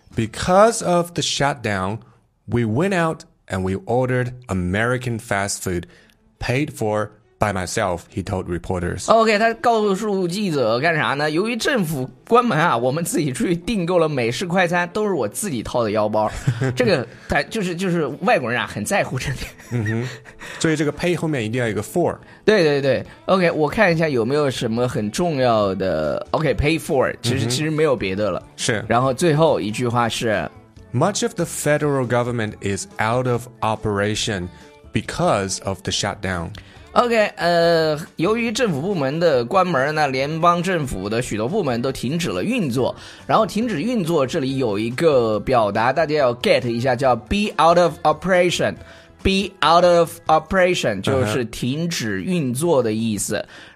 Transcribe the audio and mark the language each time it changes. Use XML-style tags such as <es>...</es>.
<en>Because of the shutdown, we went out and we ordered American fast food, paid for. By myself, he told reporters.</en> <zh>OK， 他告诉记者干啥呢？由于政府关门啊，我们自己出去订购了美式快餐，都是我自己掏的腰包。这个他就是外国人啊，很在乎这点。嗯哼，所以这个 pay 后面一定要有个 for。对对对 ，OK， 我看一下有没有什么很重要的。 OK，</zh> <en>pay for，</en> <zh>其实没有别的了。是。然后最后一句话是</zh> <en>，Much of the federal government is out of operation because of the shutdown.</en> <zh>OK， 由于政府部门的关门呢，联邦政府的许多部门都停止了运作。然后停止运作，这里有一个表达，大家要 get 一下，叫</zh> <en>be out of operation。 be out of operation</en> <zh>就是停止运作的意思。Uh-huh.</zh>